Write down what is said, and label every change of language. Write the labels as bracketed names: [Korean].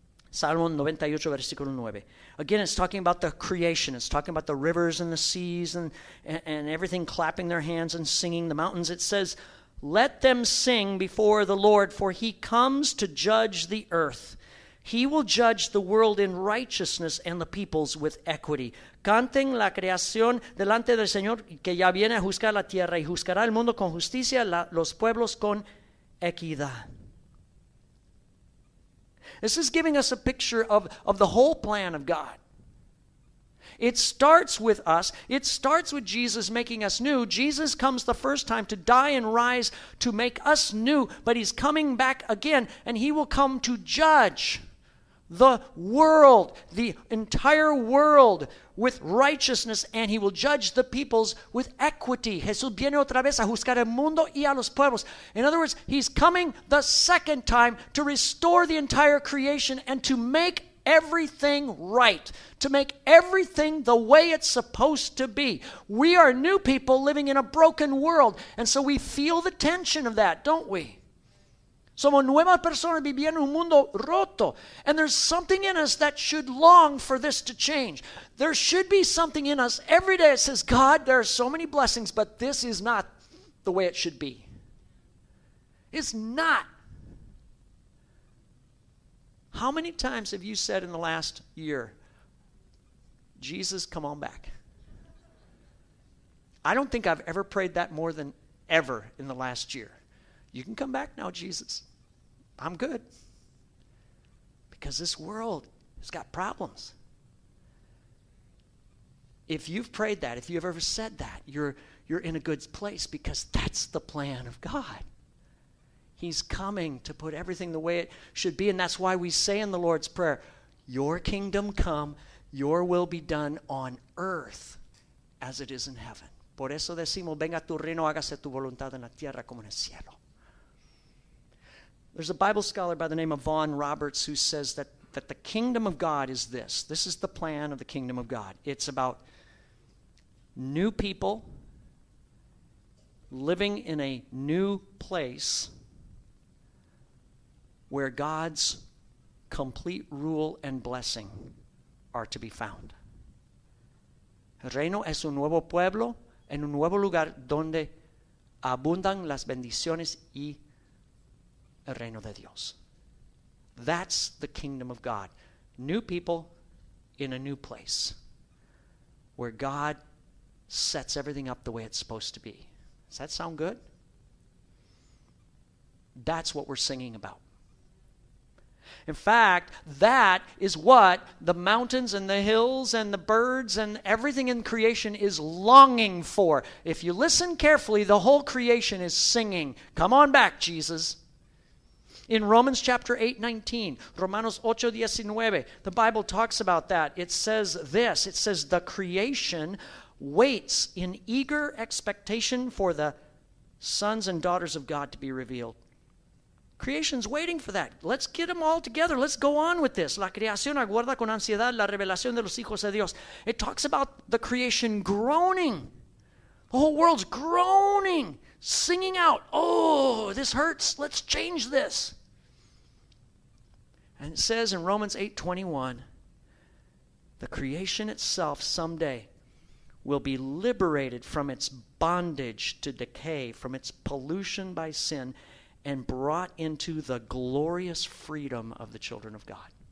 [Spanish] Salmo 98, versículo 9. [English] Again, it's talking about the creation. It's talking about the rivers and the seas and everything clapping their hands and singing, the mountains. It says, let them sing before the Lord, for he comes to judge the earth. He will judge the world in righteousness and the peoples with equity. [Spanish] Canten la creación delante del Señor, que ya viene a juzgar la tierra, y juzgará el mundo con justicia, los pueblos con equidad. [English] This is giving us a picture of the whole plan of God. It starts with us. It starts with Jesus making us new. Jesus comes the first time to die and rise to make us new, but he's coming back again, and he will come to judge the world, the entire world, with righteousness, and he will judge the peoples with equity. [Spanish] Jesús viene otra vez a juzgar el mundo y a los pueblos. [English] In other words, he's coming the second time to restore the entire creation and to make everything right, to make everything the way it's supposed to be. We are new people living in a broken world, and so we feel the tension of that, don't we? [Spanish] Somos nuevas personas viviendo en un mundo roto. [English] And there's something in us that should long for this to change. There should be something in us every day that says, God, there are so many blessings, but this is not the way it should be. It's not. How many times have you said in the last year, Jesus, come on back? I don't think I've ever prayed that more than ever in the last year. You can come back now, Jesus. I'm good. Because this world has got problems. If you've prayed that, if you've ever said that, you're in a good place, because that's the plan of God. He's coming to put everything the way it should be, and that's why we say in the Lord's Prayer, your kingdom come, your will be done on earth as it is in heaven. [Spanish] Por eso decimos, venga tu reino, hágase tu voluntad en la tierra como en el cielo. [English] There's a Bible scholar by the name of Vaughn Roberts who says that the kingdom of God is this. This is the plan of the kingdom of God. It's about new people living in a new place where God's complete rule and blessing are to be found. [Spanish] Reino es un nuevo pueblo en un nuevo lugar donde abundan las bendiciones y el reino de Dios. [English] That's the kingdom of God. New people in a new place where God sets everything up the way it's supposed to be. Does that sound good? That's what we're singing about. In fact, that is what the mountains and the hills and the birds and everything in creation is longing for. If you listen carefully, the whole creation is singing, come on back, Jesus. In Romans chapter 8, 19, Romanos 8, 19, the Bible talks about that. It says this. It says, the creation waits in eager expectation for the sons and daughters of God to be revealed. Creation's waiting for that. Let's get them all together. Let's go on with this. [Spanish] La creación aguarda con ansiedad la revelación de los hijos de Dios. [English] It talks about the creation groaning. The whole world's groaning, singing out, oh, this hurts, let's change this. And it says in Romans 8, 21, the creation itself someday will be liberated from its bondage to decay, from its pollution by sin, and brought into the glorious freedom of the children of God.